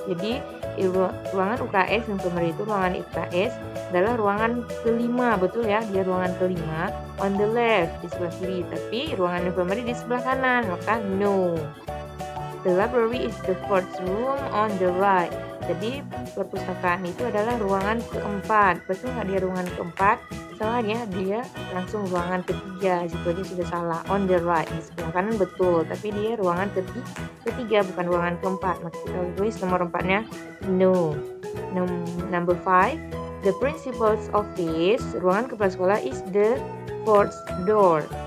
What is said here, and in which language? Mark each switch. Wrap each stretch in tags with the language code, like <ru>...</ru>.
<id>Jadi ruangan UKS, infirmary itu ruangan UKS, adalah ruangan kelima, betul ya, dia ruangan kelima,</id> <en>on the left,</en> <id>di sebelah kiri. Tapi ruangan infirmary di sebelah kanan, maka no.</id> <en>The library is the fourth room on the right.</en> <id>Jadi perpustakaan itu adalah ruangan keempat. Betul nggak dia ruangan keempat? misalnya dia langsung ruangan ketiga, situasinya sudah salah,</id> <en>on the right,</en> <id>di sebelah kanan betul, tapi dia ruangan ketiga, bukan ruangan keempat, maksudnya tulis nomor empatnya no.</id> <en>Number five, the principal's office,</en> <id>ruangan kepala sekolah,</id> <en>is the fourth door.</en>